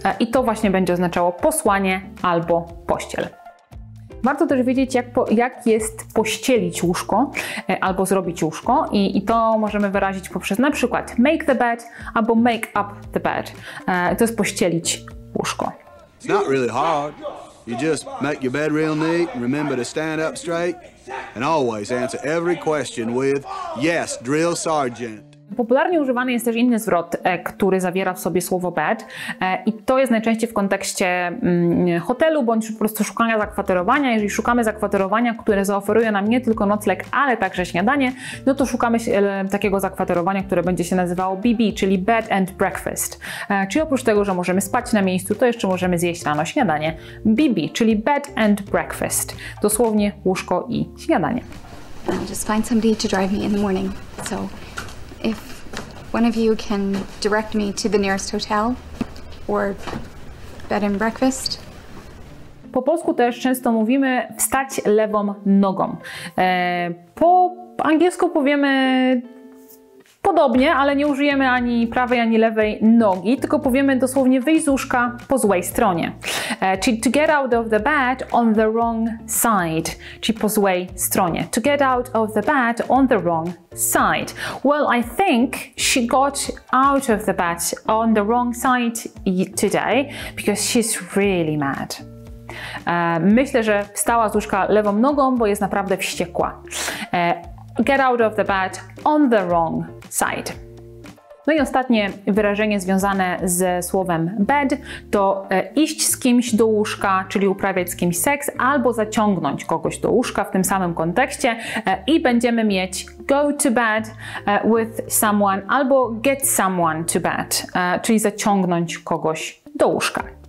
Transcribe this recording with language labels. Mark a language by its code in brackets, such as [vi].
[pl] I to właśnie będzie oznaczało posłanie albo pościel. Warto też wiedzieć, jak jest pościelić łóżko albo zrobić łóżko i to możemy wyrazić poprzez na przykład [en] make the bed [pl] albo [en] make up the bed. [pl] To jest pościelić łóżko. [en] It's not really hard. You just make your bed real neat, remember to stand up straight and always answer every question with yes, drill sergeant. [pl] Popularnie używany jest też inny zwrot, który zawiera w sobie słowo bed, i to jest najczęściej w kontekście hotelu bądź po prostu szukania zakwaterowania. Jeżeli szukamy zakwaterowania, które zaoferuje nam nie tylko nocleg, ale także śniadanie, no to szukamy takiego zakwaterowania, które będzie się nazywało BB, czyli [en] bed and breakfast. [pl] Czyli oprócz tego, że możemy spać na miejscu, to jeszcze możemy zjeść rano śniadanie. BB, czyli [en] bed and breakfast. [pl] Dosłownie łóżko i śniadanie. [en] I'll just find somebody to drive me in the morning. So if one of you can direct me to the nearest hotel or bed and breakfast. [pl] Po polsku też często mówimy wstać lewą nogą. Po angielsku powiemy podobnie, ale nie użyjemy ani prawej, ani lewej nogi, tylko powiemy dosłownie wyjść z łóżka po złej stronie. Czyli [en] to get out of the bed on the wrong side, [pl] czyli po złej stronie. [en] To get out of the bed on the wrong side. Well, I think she got out of the bed on the wrong side today because she's really mad. [pl] Myślę, że wstała z łóżka lewą nogą, bo jest naprawdę wściekła. [en] Get out of the bed on the wrong side. [pl] No i ostatnie wyrażenie związane ze słowem bed to iść z kimś do łóżka, czyli uprawiać z kimś seks, albo zaciągnąć kogoś do łóżka w tym samym kontekście, i będziemy mieć [en] go to bed with someone [pl] albo [en] get someone to bed, [pl] czyli zaciągnąć kogoś do łóżka.